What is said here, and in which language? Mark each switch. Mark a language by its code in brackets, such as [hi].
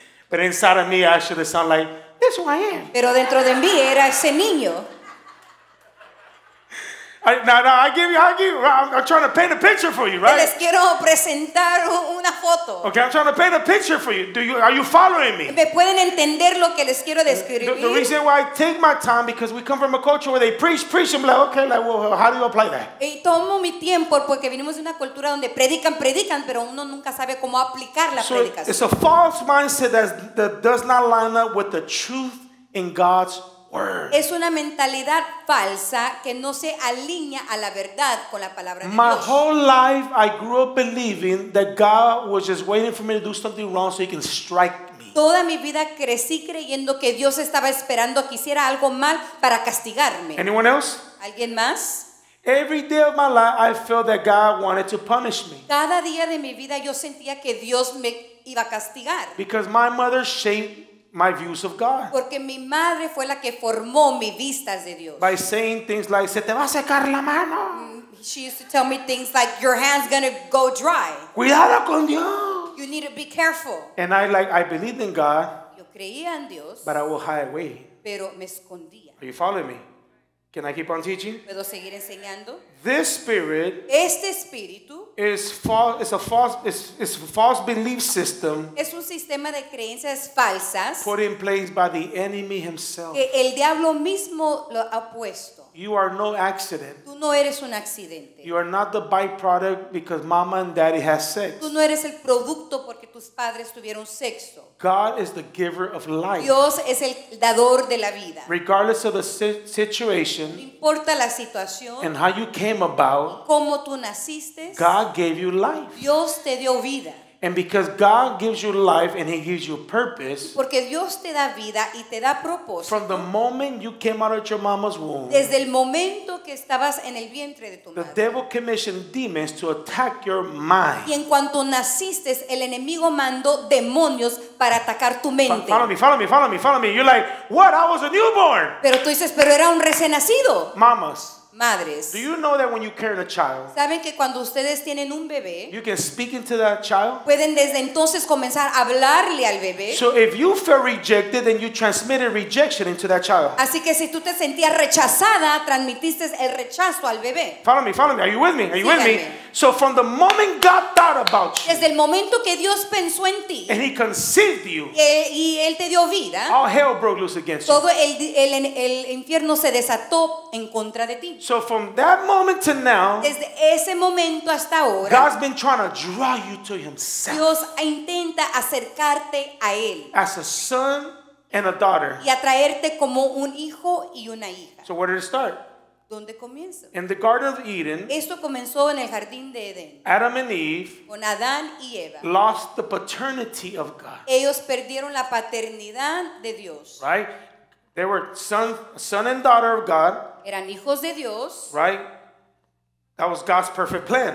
[en] But inside of me, I should have sounded like, this who I am. [es] Pero dentro de mí era ese niño. [en] I'm trying to paint a picture for you, right? [es] Les quiero presentar una foto. [en] Okay, I'm trying to paint a picture for you. Are you following me? [es] ¿Me pueden entender lo que les quiero describir? [en] The reason why I take my time because we come from a culture where they preach, and be like, okay, like, well, how do you apply that? [es] Y tomo mi tiempo porque venimos de una cultura donde predican, pero uno nunca sabe cómo aplicar la predicación. [en] It's a false mindset that does not line up with the truth in God's word. [es] Es una mentalidad falsa que no se alinea a la verdad con la palabra de Dios. [en] My whole life I grew up believing that God was just waiting for me to do something wrong so he can strike me. [es] Toda mi vida crecí creyendo que Dios estaba esperando que hiciera algo mal para castigarme. [en] Anyone else? [es] ¿Alguien más? [en] Every day of my life I felt that God wanted to punish me. [es] Cada día de mi vida yo sentía que Dios me iba a castigar. [en] Because my mother shamed my views of God. [es] Porque mi madre fue la que formó mis vistas de Dios. [en] By saying things like, [es] se te va a secar la mano. [en] She used to tell me things like, your hand's gonna go dry. [es] Cuidado con Dios. [en] You need to be careful. And I believed in God. [es] Yo creía en Dios. [en] But I will hide away. [es] Pero me escondía. [en] Are you following me? Can I keep on teaching? [es] ¿Puedo seguir enseñando? [en] This spirit. [es] Este espíritu. [en] Is false. It's a false. It's a false belief system. [es] Es un sistema de creencias falsas. [en] Put in place by the enemy himself. [es] Que el diablo mismo lo ha puesto. [en] You are no accident. [es] Tú no eres un accidente. [en] You are not the byproduct because mama and daddy has sex. [es] Tú no eres el producto porque tus padres tuvieron sexo. [en] God is the giver of life. [es] Dios es el dador de la vida. [en] Regardless of the situation. [es] No importa la situación. [en] And how you came about. [es] Cómo tú naciste. [en] God gave you life. [es] Dios te dio vida. [en] And because God gives you life and he gives you purpose, [es] porque Dios te da vida y te da propósito, [en] from the moment you came out of your mama's womb, [es] desde el momento que estabas en el vientre de tu madre, [en] the devil commissioned demons to attack your mind. [es] Y en cuanto naciste, el enemigo mandó demonios para atacar tu mente. [en] Follow me. You're like, what? I was a newborn. [es] Pero tú dices, pero era un recién nacido. [en] Mamas. [es] Madres. [en] Do you know that when you carry a child, [es] ¿saben que cuando ustedes tienen un bebé, [en] you can speak into that child? [es] Pueden desde entonces comenzar a hablarle al bebé. [en] So if you feel rejected, then you transmitted rejection into that child. [es] Así que si tú te sentías rechazada, transmitiste el rechazo al bebé. [en] Follow me. Are you with me? Are you with me? So from the moment God thought about you, [es] desde el momento que Dios pensó en ti, [en] and he conceived you, [es] y él te dio vida, [en] all hell broke loose against [es] todo Todo el infierno se desató en contra de ti. [en] So from that moment to now, [es] desde ese momento hasta ahora, [en] God's been trying to draw you to himself. [es] Dios intenta acercarte a él. [en] As a son and a daughter. [es] Y atraerte como un hijo y una hija. [en] So where did it start? [es] ¿Dónde comienza? [en] In the Garden of Eden. [es] Esto comenzó en el jardín de Edén. [en] Adam and Eve. [es] Con Adán y Eva. [en] Lost the paternity of God. [es] Ellos perdieron la paternidad de Dios. [en] Right? They were son and daughter of God. [es] Eran hijos de Dios. [en] Right? That was God's perfect plan.